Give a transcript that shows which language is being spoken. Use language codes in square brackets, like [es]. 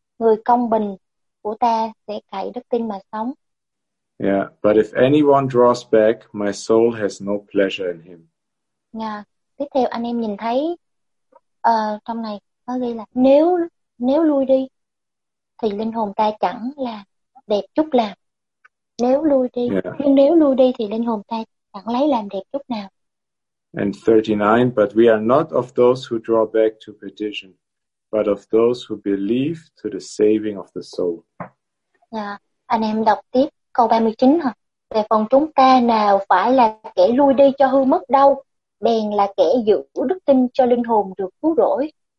[vi] Người công bình của ta sẽ cậy đức tin mà sống. [en] Yeah, but if anyone draws back, my soul has no pleasure in him. Yeah. [vi] Tiếp theo anh em nhìn thấy trong này có ghi là nếu lui đi thì linh hồn ta chẳng là đẹp chút nào. Nếu lui đi, [en] yeah. [vi] Nhưng nếu lui đi thì linh hồn ta chẳng lấy làm đẹp chút nào. [en] And 39, but we are not of those who draw back to perdition, but of those who believe to the saving of the soul. [vi] Yeah. Anh em đọc tiếp câu 39 hả? Về phần chúng ta nào phải là kẻ lui đi cho hư mất đâu, bèn là kẻ giữ đức tin cho linh hồn được cứu rỗi.